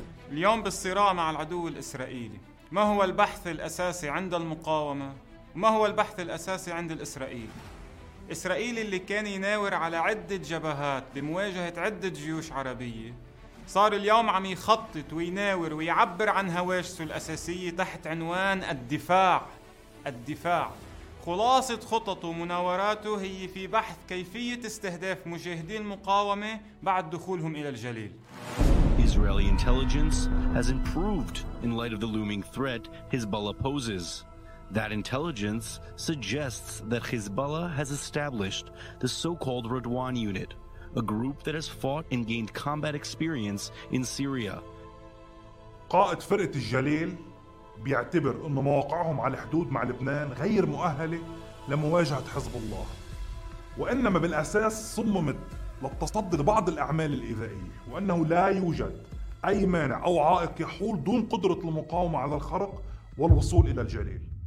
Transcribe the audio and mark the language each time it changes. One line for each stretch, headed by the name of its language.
Arabic: اليوم بالصراع مع العدو الإسرائيلي، ما هو البحث الأساسي عند المقاومة؟ وما هو البحث الأساسي عند الإسرائيلي؟ إسرائيلي اللي كان يناور على عدة جبهات بمواجهة عدة جيوش عربية، صار اليوم عم يخطط ويناور ويعبر عن هواجسه الأساسية تحت عنوان الدفاع. الدفاع خلاصة خططه ومناوراته هي في بحث كيفية استهداف مجاهدي المقاومة بعد دخولهم إلى الجليل.
English: Israeli intelligence has improved in light of the looming threat Hezbollah poses. That intelligence suggests that Hezbollah has established the so-called Radwan unit, a group that has fought and gained combat experience in Syria.
Arabic: قائد فرقة الجليل بيعتبر أن مواقعهم على الحدود مع لبنان غير مؤهلة لمواجهة حزب الله، وإنما بالأساس صممت للتصدي لبعض الأعمال الإيذائية، وأنه لا يوجد أي مانع أو عائق يحول دون قدرة المقاومة على الخرق والوصول إلى الجليل.